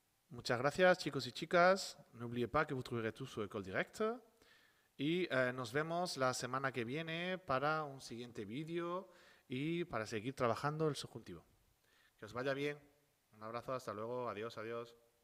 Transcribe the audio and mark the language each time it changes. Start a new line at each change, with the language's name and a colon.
Spanish: Muchas gracias, chicos y chicas.
French: N'oubliez pas que vous trouverez tout sur École Directe.
Spanish: Y nos vemos la semana que viene para un siguiente vídeo y para seguir trabajando el subjuntivo. Que os vaya bien. Un abrazo, hasta luego. Adiós, adiós.